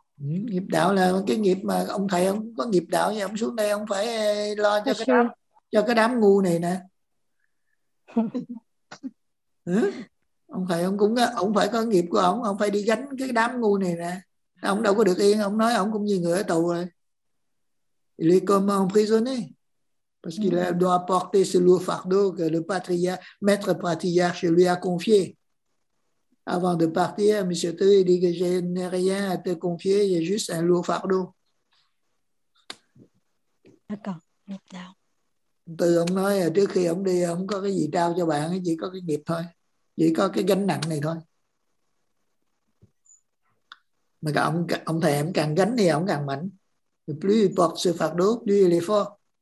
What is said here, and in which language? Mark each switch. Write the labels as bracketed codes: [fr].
[vi] Nghiệp đạo là cái nghiệp mà ông thầy ông có nghiệp đạo, thì ông xuống đây ông phải lo cho cái đám, cho cái đám ngu này nè. Ông thầy ông cũng ông phải có nghiệp của ông phải đi gánh cái đám ngu này nè. Ông đâu có được yên, ông nói ông cũng như người ở tù rồi. [fr] Il est comme en prison, parce qu'il doit porter ce lourd fardeau que le patriarche, maître patriarche lui a confié. Avant de partir, monsieur Thuy dit que je n'ai rien à te confier, il y a juste un lourd fardeau. D'accord. [vi] Từ ông nói trước khi ông đi, ông có cái gì trao cho bạn, chỉ có cái nghiệp thôi. Chỉ có cái gánh nặng này thôi. Mà cả ông thầy em càng gánh thì ông càng mạnh. [fr] Plus il porte ce fardeau, plus il est fort.